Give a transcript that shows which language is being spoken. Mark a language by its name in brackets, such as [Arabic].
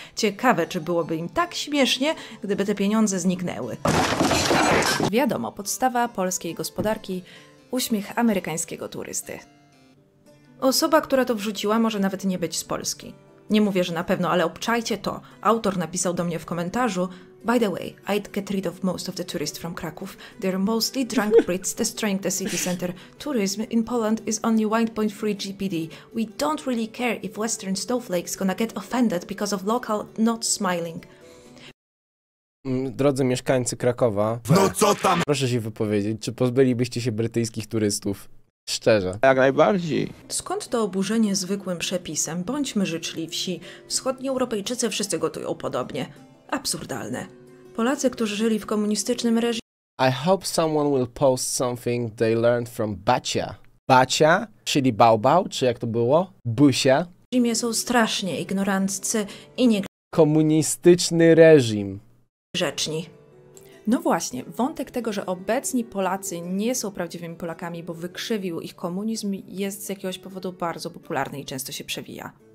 [Polish] Ciekawe, czy byłoby im tak śmiesznie, gdyby te pieniądze zniknęły. Wiadomo, podstawa polskiej gospodarki, uśmiech amerykańskiego turysty. Osoba, która to wrzuciła, może nawet nie być z Polski. Nie mówię, że na pewno, ale obczajcie to. Autor napisał do mnie w komentarzu: [English] "By the way, I'd get rid of most of the tourists from Kraków. They're mostly drunk Brits destroying the city center. Tourism in Poland is only 1.3 GPD. We don't really care if Western Snowflake's gonna get offended because of local not smiling." [Polish] Drodzy mieszkańcy Krakowa, no co tam? Proszę się wypowiedzieć, czy pozbylibyście się brytyjskich turystów? Szczerze. Jak najbardziej. Skąd to oburzenie zwykłym przepisem? Bądźmy życzliwsi. Wschodni Europejczycy wszyscy gotują podobnie. Absurdalne. Polacy, którzy żyli w komunistycznym reżimie... [English] I hope someone will post something they learned from Bacia. [Polish] Bacia? Czyli Baobao? Czy jak to było? Busia? W Rzymie są strasznie ignoranccy i nie... Komunistyczny reżim. Grzeczni. No właśnie, wątek tego, że obecni Polacy nie są prawdziwymi Polakami, bo wykrzywił ich komunizm, jest z jakiegoś powodu bardzo popularny i często się przewija.